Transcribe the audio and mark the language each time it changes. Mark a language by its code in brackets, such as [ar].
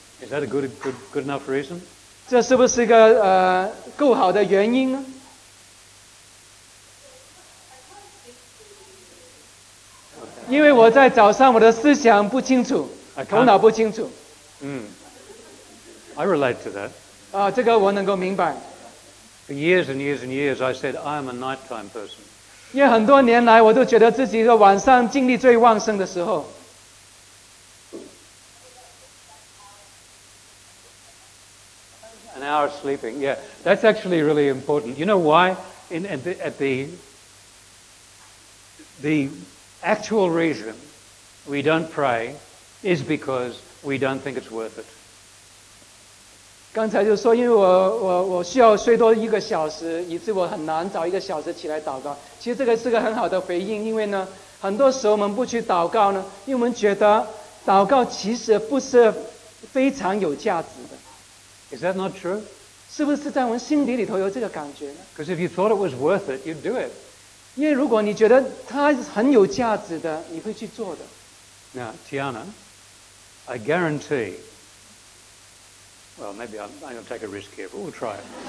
[en] Is that a good enough reason? [zh] 这是不是一个够好的原因呢因为我在早上我的思想不清楚头脑不清楚 [en] I relate to that [zh] 这个我能够明白 [en] For years and years and years I said I am a nighttime person [zh] 因为很多年来我都觉得自己的晚上精力最旺盛的时候 [en] An hour of sleeping Yeah, that's actually really important You know why? At the actual reason we don't pray is because we don't think it's worth it. [zh] 刚才就说因为我需要睡多一个小时以致我很难找一个小时起来祷告其实这个是个很好的回应因为呢很多时候我们不去祷告呢因为我们觉得祷告其实不是非常有价值的 [en] Is that not true? [zh] 是不是在我们心底里头有这个感觉呢 [en] Because if you thought it was worth it, you'd do it. [zh] 因为如果你觉得它很有价值的，你会去做的。 [en] Now, Tiana, I guarantee. Well, maybe I'm going to take a risk here, but we'll try it.